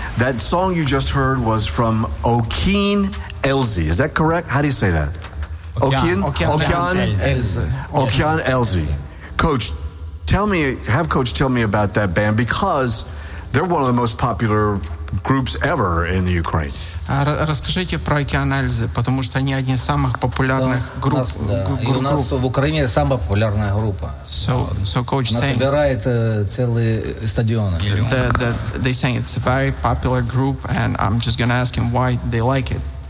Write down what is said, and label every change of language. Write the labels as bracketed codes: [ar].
[en] That song you just heard was from Okean Elze. Is that correct? How do you say that? Okean Elze. Coach, tell me, have Coach tell me about that band, because they're one of the most popular groups ever in the Ukraine. [ru] Расскажите про Океан Эльзы, потому что они одни из самых популярных групп. И у нас в Украине самая популярная группа. [en] So coach saying. [ru] Она собирает целые стадионы. [en] They saying it's a very popular group, and I'm just gonna ask him why they like it.